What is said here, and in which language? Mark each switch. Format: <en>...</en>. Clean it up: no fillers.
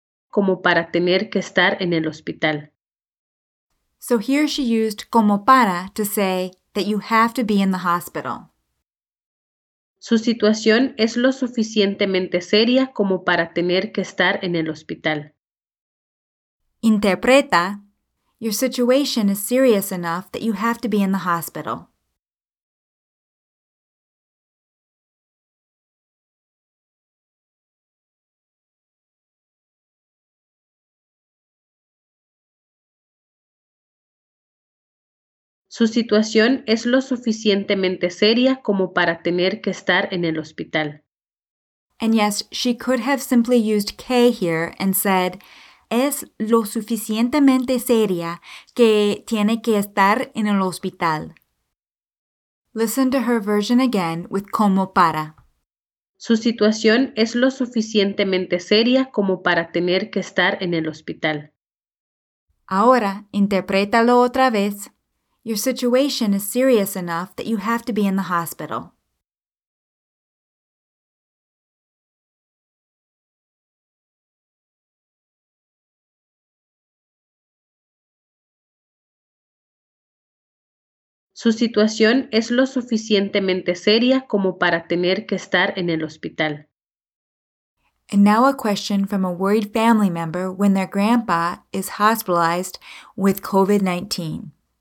<es>Como para tener que estar en el hospital.</es> <en>So here she used como para to say that you have to be in the hospital.</en> <es>Su situación es lo suficientemente seria como para tener que estar en el hospital.</es> <en>Interpreta, your situation is serious enough that you have to be in the hospital.</en> <es>Su situación es lo suficientemente seria como para tener que estar en el hospital.</es> <en>And yes, she could have simply used que here and said,</en> <es>es lo suficientemente seria que tiene que estar en el hospital.</es> <en>Listen to her version again with como para.</en> <es>Su situación es lo suficientemente seria como para tener que estar en el hospital. Ahora, interprétalo otra vez.</es> <en>Your situation is serious enough that you have to be in the hospital.</en> <es>Su situación es lo suficientemente seria como para tener que estar en el hospital.</es> <en>And now a question from a worried family member when their grandpa is hospitalized with COVID-19.</en>